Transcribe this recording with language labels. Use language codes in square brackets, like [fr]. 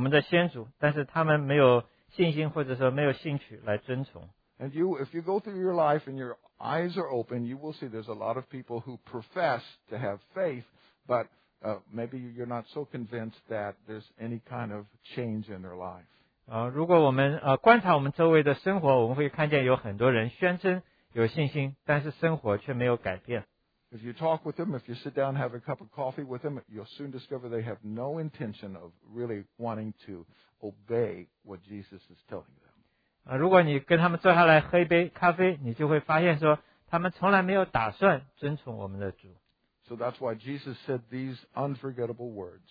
[zh] 就好像说传给那些我们的先祖，但是他们没有。 [en] And you, if you go through your life and your eyes are open, you will see there's a lot of people who profess to have faith, but maybe you're not so convinced that there's any kind of change in their life. [zh] 如果我们观察我们周围的生活，我们会看见有很多人宣称有信心，但是生活却没有改变。 [en] If you talk with them, if you sit down and have a cup of coffee with them, you'll soon discover they have no intention of really wanting to obey what Jesus is telling them. [zh] 如果你跟他们坐下来喝一杯咖啡，你就会发现说，他们从来没有打算遵从我们的主。 [en] So that's why Jesus said these unforgettable words.